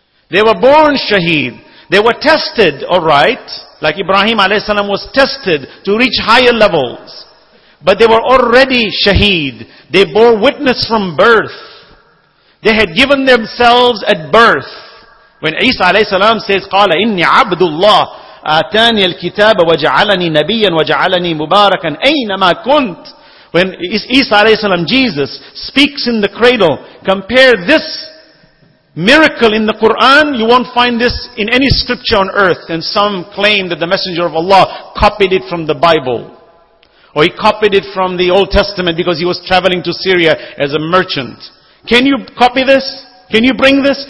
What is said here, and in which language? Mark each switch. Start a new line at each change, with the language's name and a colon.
English: They were born shaheed. They were tested, alright. Like Ibrahim alayhi salam was tested to reach higher levels. But they were already shaheed. They bore witness from birth. They had given themselves at birth. When Isa alayhi salam says,
Arabic: قَالَ إِنِّي عَبْدُ اللَّهِ أَتَانِيَ الْكِتَابَ وَجَعَلَنِي نَبِيًّا وَجَعَلَنِي مُبَارَكًا أَيْنَمَا كُنْتْ.
English: When Isa alayhi salam, Jesus, speaks in the cradle, compare this miracle in the Quran, you won't find this in any scripture on earth. And some claim that the Messenger of Allah copied it from the Bible. Or he copied it from the Old Testament because he was traveling to Syria as a merchant. Can you copy this? Can you bring this?